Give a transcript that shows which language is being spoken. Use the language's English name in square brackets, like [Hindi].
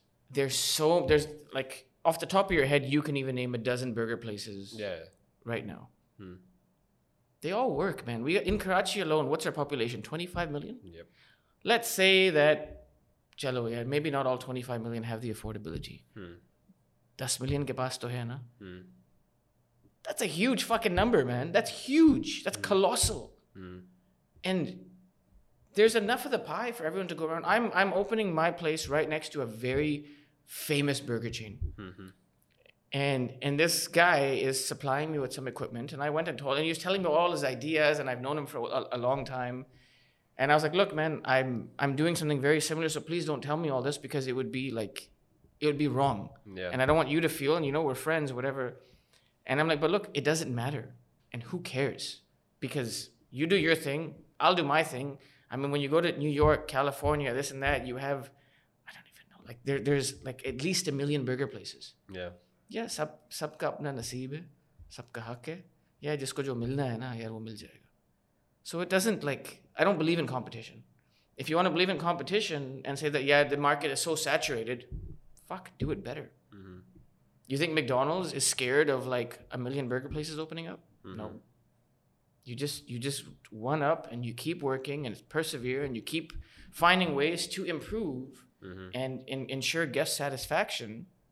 [English] There's like, off the top of your head, you can even name a dozen burger places right now. They all work, man. We, in Karachi alone, what's our population? 25 million? Yep. Let's say that, chalo, yeah, maybe not all 25 million have the affordability. [Hindi] 10 million के पास तो है ना? [English] That's a huge fucking number, man. That's huge. That's colossal. And there's enough of the pie for everyone to go around. I'm opening my place right next to a very famous burger chain. And this guy is supplying me with some equipment. And I went and told him, and he was telling me all his ideas, and I've known him for a long time. And I was like, look, man, I'm doing something very similar, so please don't tell me all this because it would be like, it would be wrong. Yeah. And I don't want you to feel, and you know, we're friends or whatever. And I'm like, but look, it doesn't matter. And who cares? Because you do your thing, I'll do my thing. I mean, when you go to New York, California, this and that, you have, I don't even know, like there's like at least a million burger places. Yeah. [Hindi] Yeah, सब का अपना नसीब है, सब का हक़ है। Yeah, जिसको जो मिलना है ना, यार वो मिल जायेगा। [English] So it doesn't, like, I don't believe in competition. If you want to believe in competition and say that, yeah, the market is so saturated, fuck, do it better. You think McDonald's is scared of, like, a million burger places opening up? No. You just one up and you keep working and persevere and you keep finding ways to improve and ensure guest satisfaction.